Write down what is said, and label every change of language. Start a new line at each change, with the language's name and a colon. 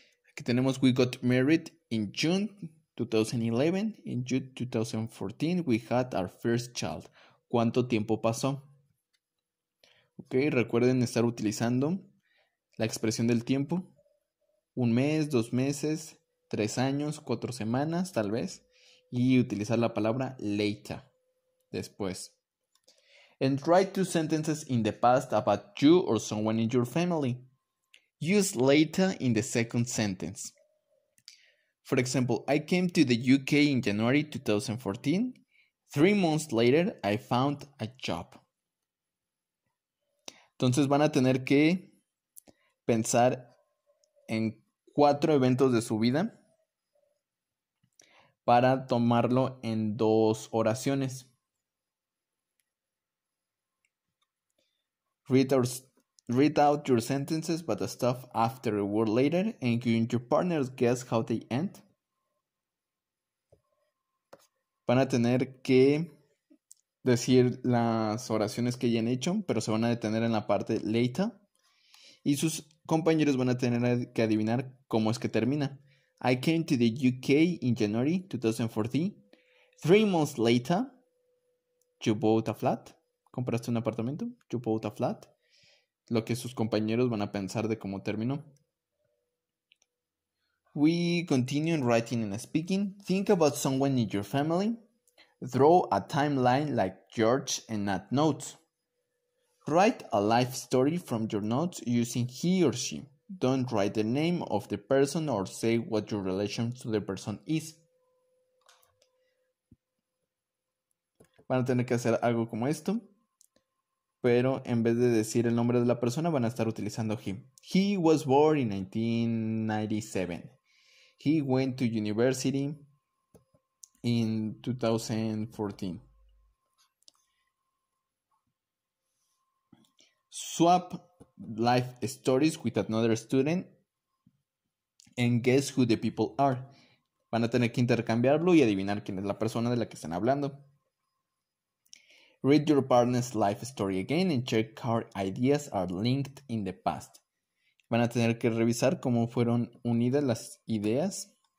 Spanish: Aquí tenemos
English: we got married in June 2011, in June 2014, we had our first child.
Spanish: ¿Cuánto tiempo pasó? Ok, recuerden estar utilizando la expresión del tiempo. Un mes, dos meses, tres años, cuatro semanas, tal vez. Y utilizar la palabra later, después.
English: And write two sentences in the past about you or someone in your family. Use later in the second sentence. For example, I came to the UK in January 2014. 3 months later, I found a job.
Spanish: Entonces van a tener que pensar en 4 eventos de su vida para tomarlo en 2 oraciones.
English: Read out your sentences, but the stuff after a word later, and can your partners guess how they end?
Spanish: Van a tener que decir las oraciones que hayan hecho, pero se van a detener en la parte later. Y sus compañeros van a tener que adivinar cómo es que termina.
English: I came to the UK in January 2014. 3 months later, you bought a flat.
Spanish: ¿Compraste un apartamento?
English: You bought a flat.
Spanish: Lo que sus compañeros van a pensar de cómo terminó.
English: We continue in writing and speaking. Think about someone in your family. Draw a timeline like George and Nat notes. Write a life story from your notes using he or she. Don't write the name of the person or say what your relation to the person is.
Spanish: Van a tener que hacer algo como esto. Pero en vez de decir el nombre de la persona, van a estar utilizando him.
English: He was born in 1997. He went to university in 2014. Swap life stories with another student and guess who the people are.
Spanish: Van a tener que intercambiarlo y adivinar quién es la persona de la que están hablando.
English: Read your partner's life story again and check how ideas are linked in the past.
Spanish: Van a tener que revisar cómo fueron unidas las ideas.